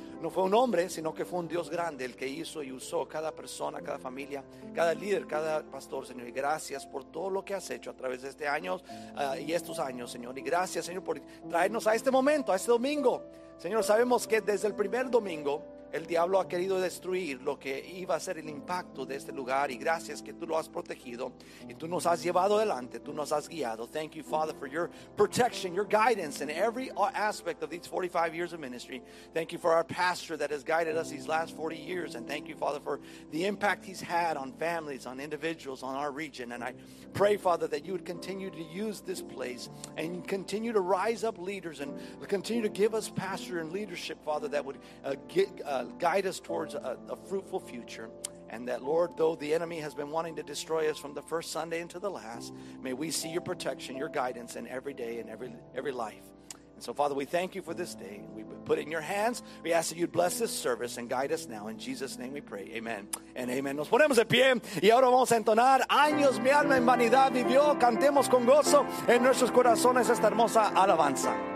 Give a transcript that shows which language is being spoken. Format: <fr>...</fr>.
<es>No fue un hombre, sino que fue un Dios grande el que hizo y usó cada persona, cada familia, cada líder, cada pastor, Señor. Y gracias por todo lo que has hecho a través de este año y estos años, Señor. Y gracias, Señor, por traernos a este momento, a este domingo. Señor, sabemos que desde el primer domingo el diablo ha querido destruir lo que iba a ser el impacto de este lugar, y gracias que tú lo has protegido y tú nos has llevado adelante, tú nos has guiado.</es> <en>Thank you, Father, for your protection, your guidance in every aspect of these 45 years of ministry. Thank you for our pastor that has guided us these last 40 years, and thank you, Father, for the impact he's had on families, on individuals, on our region. And I pray, Father, that you would continue to use this place and continue to rise up leaders and continue to give us pastor and leadership, Father, that would guide us towards a fruitful future. And that, Lord, though the enemy has been wanting to destroy us from the first Sunday into the last, may we see your protection, your guidance in every day and every life. And so, Father, we thank you for this day. We put it in your hands. We ask that you'd bless this service and guide us now. In Jesus' name we pray. Amen. And amen.</en> <es>Nos ponemos de pie y ahora vamos a entonar Años mi alma en vanidad vivió. Cantemos con gozo en nuestros corazones esta hermosa alabanza.</es>